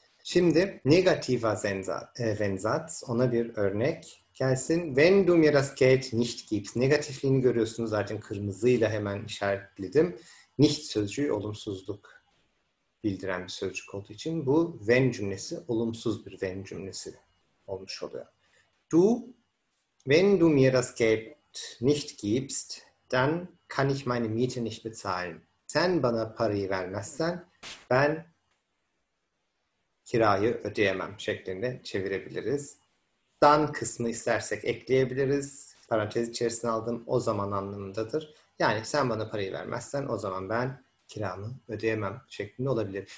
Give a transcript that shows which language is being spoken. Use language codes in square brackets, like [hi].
[tr] Şimdi negativer Wenn-Satz, ona bir örnek gelsin. [de] Wenn du mir das Geld nicht gibst, [tr] negatifliğini görüyorsunuz zaten kırmızıyla hemen işaretledim. Nicht sözcüğü olumsuzluk bildiren bir sözcük olduğu için bu wenn cümlesi olumsuz bir wenn cümlesi olmuş oluyor. [de] Du, wenn du mir das Geld nicht gibst, dann kann ich meine Miete nicht bezahlen. [tr] Sen bana parayı vermezsen ben kirayı ödeyemem şeklinde çevirebiliriz. Dann kısmı istersek ekleyebiliriz. Parantez içerisine aldım. O zaman anlamındadır. Yani sen bana parayı vermezsen o zaman ben kiramı ödeyemem şeklinde olabilir.